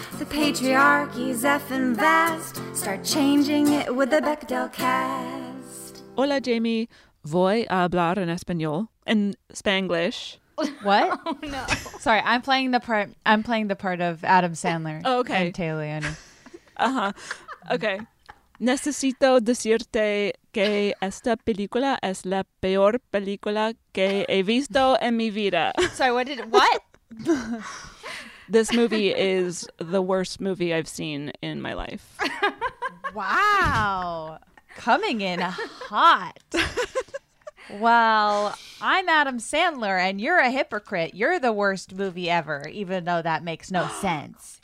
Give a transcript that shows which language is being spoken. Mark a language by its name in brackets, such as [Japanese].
[English] The patriarchy's effing vast. Start changing it with the Bechdel cast. [Spanish] Hola, Jamie. Voy a hablar en español. [English] In Spanglish. What? Oh, no. Sorry, I'm playing the part of Adam Sandler. Oh, okay. And Taylor Leone. Uh-huh. Okay. [Spanish] Necesito decirte que esta película es la peor película que he visto en mi vida. [English] Sorry, what did... What? This movie is the worst movie I've seen in my life. Wow. Coming in hot. Well, I'm Adam Sandler and you're a hypocrite. You're the worst movie ever, even though that makes no sense.